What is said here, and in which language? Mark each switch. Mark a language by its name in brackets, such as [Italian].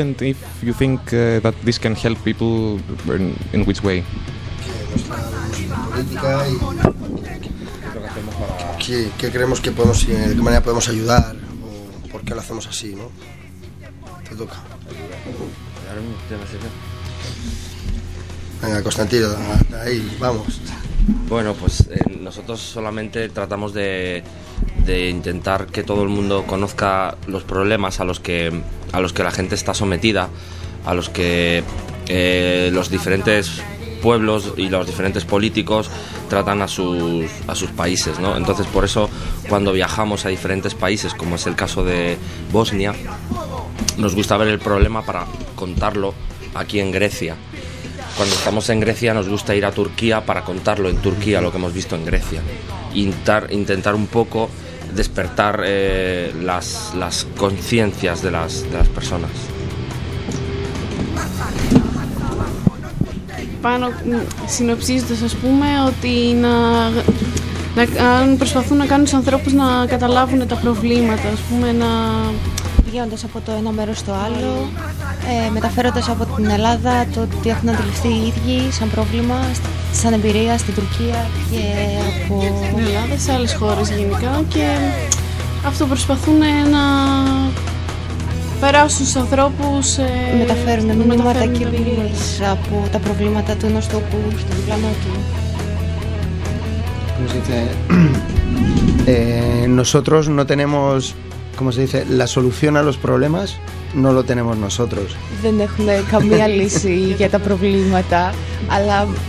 [English] And if you think that this can help people, in which way? [Spanish] política y qué creemos que podemos, de qué manera podemos ayudar o por qué lo hacemos así, ¿no? Te toca. Venga, Constantino, ahí, vamos. Bueno, pues nosotros solamente tratamos de intentar que todo el mundo conozca los problemas a los que la gente está sometida, a los que los diferentes pueblos y los diferentes políticos tratan a sus países, ¿no? Entonces, por eso, cuando viajamos a diferentes países, como es el caso de Bosnia, nos gusta ver el problema para contarlo aquí en Grecia. Cuando estamos en Grecia, nos gusta ir a Turquía para contarlo en Turquía, lo que hemos visto en Grecia. Intentar un poco despertar las conciencias de las personas. [Greek] Πάνω συνοψίζεται, ας πούμε, ότι να προσπαθούν να κάνουν τους ανθρώπους να καταλάβουν τα προβλήματα, ας πούμε, να πηγαίνοντας από το ένα μέρος στο άλλο, μεταφέροντας από την Ελλάδα το ότι έχουν αντιληφθεί οι ίδιοι σαν πρόβλημα, σαν εμπειρία στην Τουρκία και από την Ελλάδα σε άλλες χώρες γενικά, και αυτό προσπαθούν να περάσουν στους ανθρώπους, μεταφέρουν μηνύματα και εμπειρίες από τα προβλήματα του ενός τόπου στον διπλανό του. [Spanish] Como se dice, nosotros no tenemos, como se dice, la solución a los problemas no lo tenemos nosotros. [Greek] Δεν έχουμε καμία λύση για τα προβλήματα, αλλά